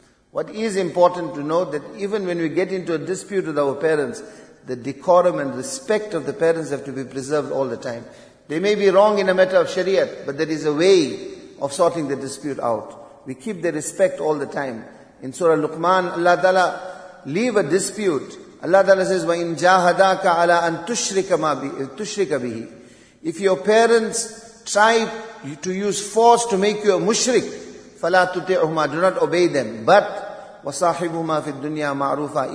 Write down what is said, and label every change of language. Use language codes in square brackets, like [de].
[en] What is important to note that even when we get into a dispute with our parents, the decorum and respect of the parents have to be preserved all the time. They may be wrong in a matter of Shariat, but there is a way of sorting the dispute out. We keep the respect all the time. In Surah Luqman, Allah Ta'ala, leave a dispute. Allah Ta'ala says, [ar] وَإِن جَاهَدَاكَ عَلَىٰ أَن تُشْرِكَ بِهِ. [en] If your parents try to use force to make you a mushrik, [ar] فَلَا تُتِعُهُمَا, [en] do not obey them. But [ar] وَصَاحِبُهُمَا فِي الدُّنْيَا مَعْرُوفًا.